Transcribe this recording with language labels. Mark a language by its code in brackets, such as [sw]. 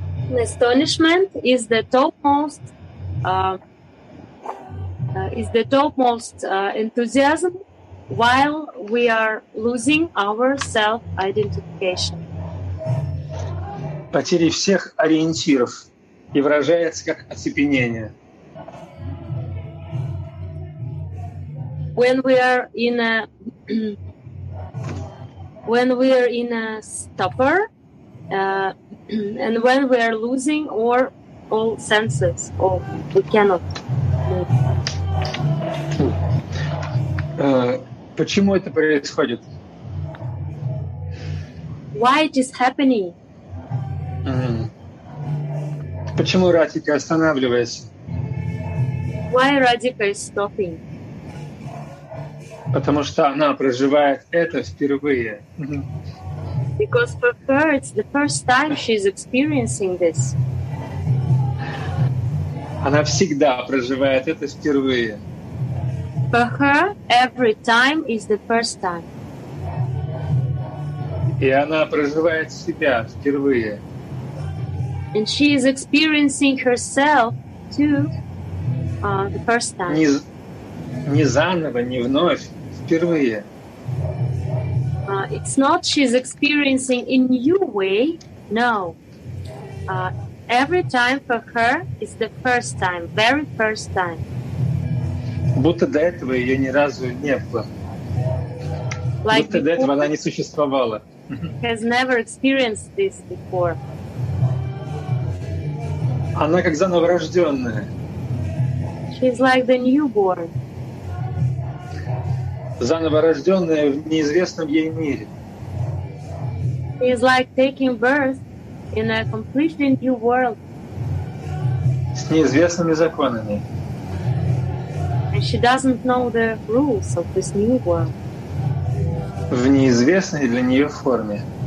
[en] Astonishment is the topmost enthusiasm while we are losing our self-identification. [ru] Потери всех ориентиров и выражается как оцепенение. [en] When we are in a stupor, And when we are losing our all senses, or we cannot move. [ru] Почему это происходит? [en] Why it is happening? [ru] Почему Радика останавливается? [en] Why Radhika is stopping? [ru] Потому что она проживает это впервые. [en] Because for her it's the first time she's experiencing this. [ru] Она всегда проживает это впервые. [en] For her, every time is the first time. [ru] И она проживает себя впервые. [en] And she is experiencing herself too, the first time. [ru] Не заново, не вновь, впервые. [en] It's not she's experiencing in new way, no. Every time for her is the first time, very first time. [ru] Будто до этого ее ни разу не было. Like будто до этого она не существовала. [en] Has never experienced this before. [ru] Она как зановорожденная. [en] She's like the newborn. [ru] Зановорожденная в неизвестном ей мире. [en] She's like taking birth in a completely new world. [ru] С неизвестными законами. [en] And she doesn't know the rules of this new world. [ru] В неизвестной для нее форме.